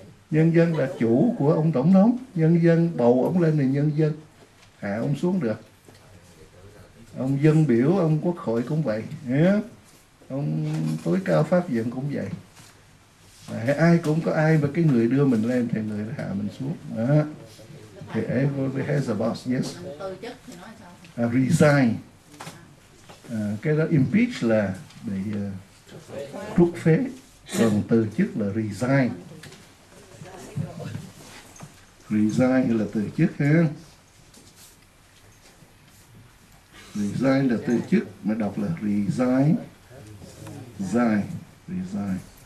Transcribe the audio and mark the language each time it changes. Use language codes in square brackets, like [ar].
[vi] Nhân dân là chủ của ông tổng thống. Nhân dân bầu ông lên là nhân dân. Hạ ông xuống được. Ông dân biểu, ông quốc hội cũng vậy. Ông tối cao pháp viện cũng vậy. Ai cũng có ai mà cái người đưa mình lên thì người hạ mình xuống. Đó. [en] Thì everybody has a boss, yes. Resign. [vi] Cái đó impeach là bị trút phế. Còn từ chức là resign. Resign là từ chức ha. Resign là từ chức mà đọc là resign. Resign. Resign.